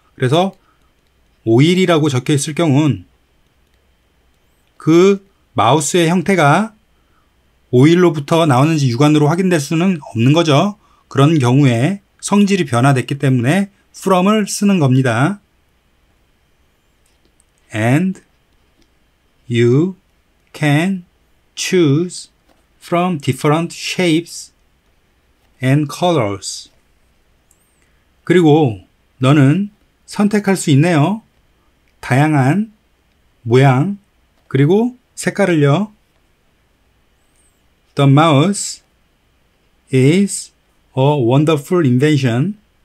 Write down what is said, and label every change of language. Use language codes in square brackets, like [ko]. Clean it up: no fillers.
[ko] 그래서 오일이라고 적혀 있을 경우는 그 마우스의 형태가 오일로부터 나오는지 육안으로 확인될 수는 없는 거죠. 그런 경우에 성질이 변화됐기 때문에 from을 쓰는 겁니다. [en] And you can choose from different shapes and colors. [ko] 그리고 너는 선택할 수 있네요. 다양한 모양 그리고 색깔을요. [en] The mouse is a wonderful invention.